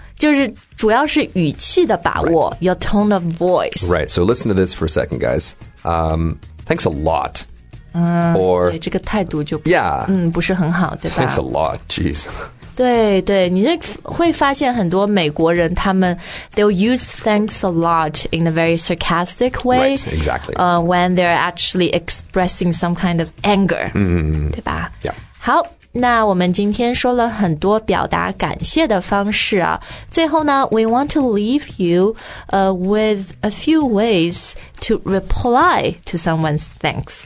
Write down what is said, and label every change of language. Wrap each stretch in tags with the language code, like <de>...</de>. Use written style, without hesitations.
<zh>就是主要是语气的把握</zh> <en>right. Your tone of voice. Right. So listen to this for a second, guys. Thanks a lot. Or</en> <zh>对这个态度就</zh> <en>Yeah.</en> <zh>不是很好对吧</zh> <en>Thanks a lot. Jeez.</en> <zh>对对你就会发现很多美国人他们</zh> <en>They'll use thanks a lot in a very sarcastic way. Right. Exactly. When they're actually expressing some kind of anger.</en> <zh>对吧</zh> <en>Yeah.</en> <zh>好那我们今天说了很多表达感谢的方式啊。最后呢</zh> <en>,we want to leave you, with a few ways to reply to someone's thanks.</en>